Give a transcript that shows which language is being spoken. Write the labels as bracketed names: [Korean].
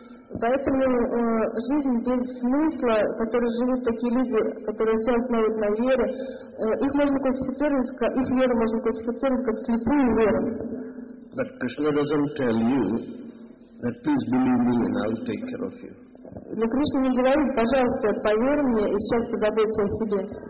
[Russian] Поэтому жизнь без смысла, в которой живут такие люди, которые все основывают на вере, их вера можно классифицировать как слепую веру. [English] But Krishna doesn't tell you that please believe me and I'll take care of you. [Russian] Но Кришна не говорит, пожалуйста, поверь мне и сейчас позаботься о себе.